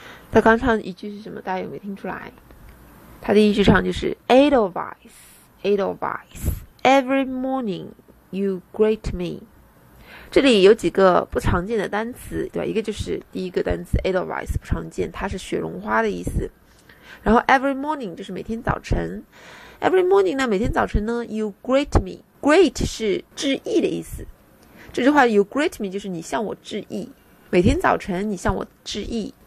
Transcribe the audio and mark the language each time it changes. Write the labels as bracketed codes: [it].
[zh] 他刚唱一句是什么？大家有没有听出来？他第一句唱就是 [en] Edelweiss, every morning you greet me. [zh] 这里有几个不常见的单词，对吧？一个就是第一个单词 Edelweiss 不常见，它是雪绒花的意思。然后 [en] every morning [zh] 就是每天早晨 ，every morning 呢，每天早晨呢 ， [en] you greet me. [zh] Greet 是致意的意思。这句话 [en] you greet me [zh] 就是你向我致意，每天早晨你向我致意。